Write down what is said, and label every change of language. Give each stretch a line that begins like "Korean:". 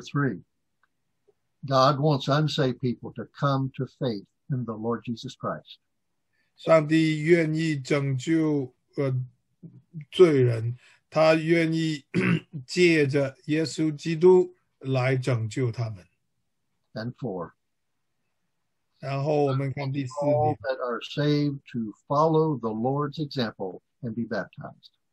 English: three, God wants unsaved people to come to faith in the Lord Jesus Christ.
Chinese: 上帝愿意拯救罪人，他愿意借着耶稣基督来拯救他们。
English: And four.
Chinese: 然后我们看第四点。
English: All that are saved to follow the Lord's example and be baptized.